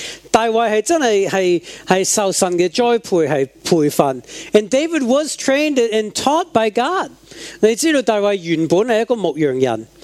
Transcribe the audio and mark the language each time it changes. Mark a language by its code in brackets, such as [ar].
[zh] 大卫是真的是受神的栽培，是培训。 [en] And David was trained and taught by God. [zh] 你知道大卫原本是一个牧羊人。